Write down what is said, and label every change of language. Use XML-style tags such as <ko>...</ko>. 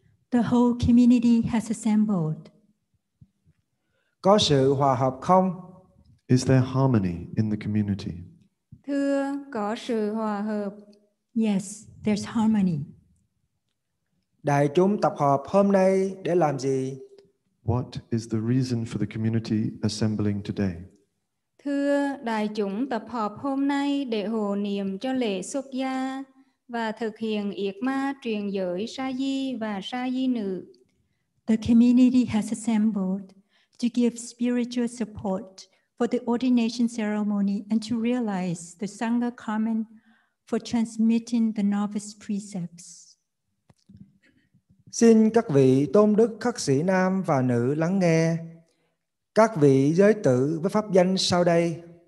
<en>The whole community has assembled.</en> <vi>Có sự hòa hợp không?</vi> <en>Is there harmony in the community?</en> <vi>Thưa, có sự hòa hợp.</vi> <en>Yes, there's harmony.</en> <vi>Đại chúng tập họp hôm nay để làm gì?</vi> <en>What is the reason for the community assembling today?</en> <vi>Thưa, đại chúng tập họp hôm nay để hộ niệm cho lễ xuất gia và thực hiện yết ma truyền giới sa di và sa di nữ.</vi> <en>The community has assembled to give spiritual support for the ordination ceremony and to realize the Sangha Karma for transmitting the novice precepts.</en> <vi>Xin các vị tôn đức khắc sĩ nam và nữ lắng nghe. Các vị giới tử với pháp danh sau đây:</vi>